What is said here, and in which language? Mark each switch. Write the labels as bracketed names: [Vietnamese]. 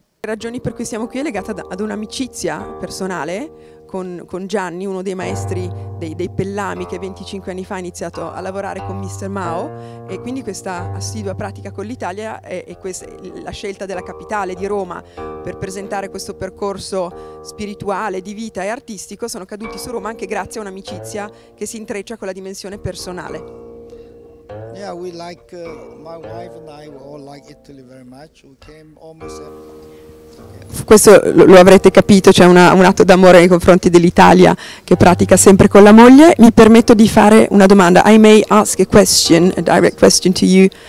[Italian] Le ragioni per cui siamo qui è legata ad un'amicizia personale con Gianni, uno dei maestri dei pellami, che 25 anni fa ha iniziato a lavorare con Mr. Mao, e quindi questa assidua pratica con l'Italia e la scelta della capitale di Roma per presentare questo percorso spirituale, di vita e artistico, sono caduti su Roma anche grazie a un'amicizia che si intreccia con la dimensione personale. [English] Yeah, we like my wife and I all like Italy very much. We came almost [Italian] Questo lo avrete capito, c'è un atto d'amore nei confronti dell'Italia che pratica sempre con la moglie. Mi permetto di fare una domanda. [English] I may ask a direct question to you.